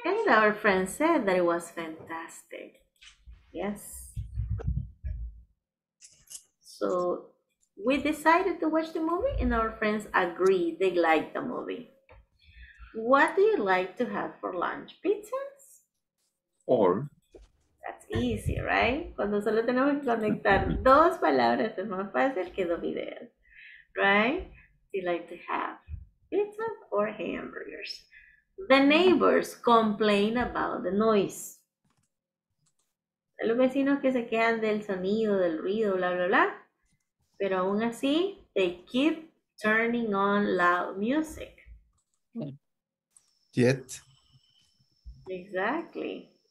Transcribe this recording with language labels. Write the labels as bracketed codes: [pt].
[en] our friend said that it was fantastic. Yes. So we decided to watch the movie and our friends agreed they liked the movie. What do you like to have for lunch? Pizzas? Or. That's easy, right? [es] Cuando solo tenemos que conectar dos palabras es más fácil que dos ideas. [en] Right? Do you like to have pizzas or hamburgers? The neighbors complain about the noise. [es] Los vecinos que se quedan del sonido, del ruido, bla, bla, bla. Pero aún así, [en] they keep turning on loud music. Yet. Exactly.